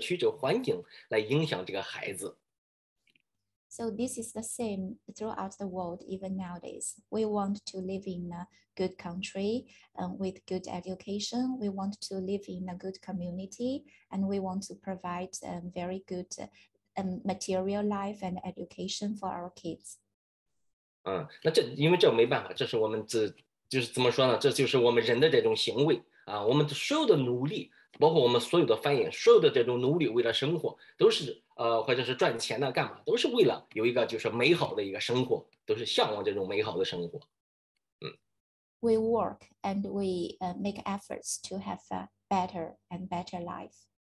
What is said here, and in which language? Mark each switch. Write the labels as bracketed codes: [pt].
[zh] 其实这个就是作为我们现代也是一样。你看，我们每一般一个家就有钱人或者是没钱人，我们都想住到一个好的国家、好的一个地方啊。甚至我们孩子教育，特别有孩子的教育，哎，我们都会找一个学区，什么样的一个学区，有好的这种教育，来用好的这种行为，这个好的这个社区这个环境来影响这个孩子。 [en] So this is the same throughout the world, even nowadays. We want to live in a good country with good education. We want to live in a good community, and we want to provide a very good material life and education for our kids. [zh] 那这因为这没办法，这是我们自就是怎么说呢？这就是我们人的这种行为啊，我们所有的努力，包括我们所有的繁衍，所有的这种努力，为了生活，都是。或者是赚钱呢，干嘛，都是为了有一个就是美好的一个生活，都是向往这种美好的生活。 [en] We work and we make efforts to have a better and better life.